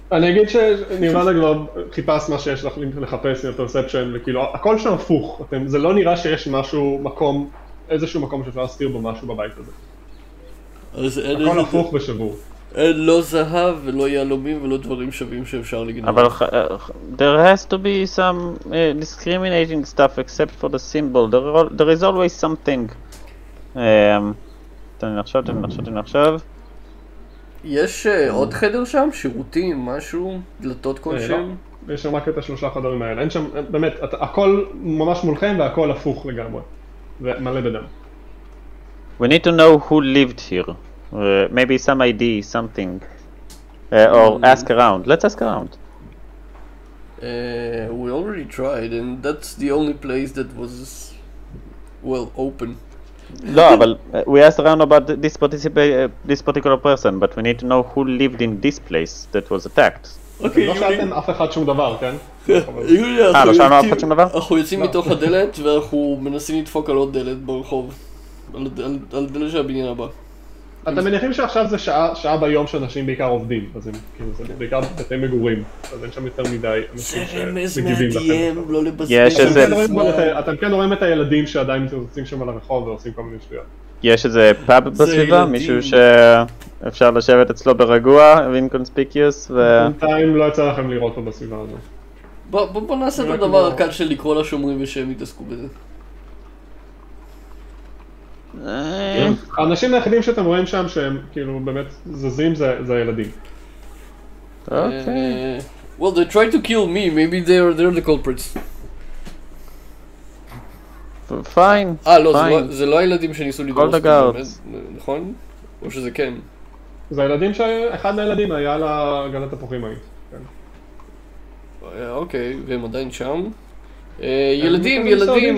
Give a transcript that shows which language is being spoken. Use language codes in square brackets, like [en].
[he] אני אגיד שנירוונה כבר חיפש מה שיש לך לחפש עם הפרספשן, וכאילו, הכל שם הפוך. זה לא נראה שיש משהו, מקום, איזשהו מקום שאפשר להסתיר בו משהו בבית הזה. הכל הפוך ושבור. אין לא זהב ולא יהלומים ולא דברים שווים שאפשר לגנות. אבל [en] there has to be some discriminating stuff except for the symbol. There is always something. [he] תן לי לחשוב. יש עוד חדר שם? שירותים? משהו? דלתות כלשהם? לא. יש שם רק את 3 חדרים האלה. אין שם, באמת, הכל ממש מולכם והכל הפוך לגמרי. ומלא בדם. [en] We need to know who lived here. Maybe some ID, something. Or ask around. Let's ask around. We already tried and that's the only place that was, well, open. [he] לא, אבל [en] we asked around about this particular person, but we need to know who lived in this place that was attacked. [he] לא שאלתם אף אחד שום דבר, כן? יולי, לא שאלנו אף אחד שום דבר? אנחנו יוצאים מתוך הדלת ואנחנו מנסים לדפוק על עוד דלת ברחוב, על דלת של הבניין הבא. אתם מניחים שעכשיו זה שעה ביום שאנשים בעיקר עובדים, אז הם בעיקר בתי מגורים, אז אין שם יותר מדי אנשים שמגיבים לכם. לא לבזבז. אתם כן רואים את הילדים שעדיין מתרוצצים שם על הרחוב ועושים כל מיני שטויות. יש איזה פאב בסביבה? מישהו שאפשר לשבת אצלו ברגוע ואינקונספיקיוס ו... בינתיים לא יצא לכם לראות אותו בסביבה הזו. בוא נעשה את הדבר הקל של לקרוא לשומרים ושהם יתעסקו בזה. האנשים היחידים שאתם רואים שם שהם כאילו באמת זזים זה הילדים. אוקיי. [en] Well, they tried to kill me, maybe they're the culprits. [he] פיין. אה, לא, זה לא הילדים שניסו לדרוס את הגארדס. נכון? או שזה כן? זה הילדים אחד מהילדים היה לגנת התפוחים ההיא. אוקיי, והם עדיין שם. ילדים.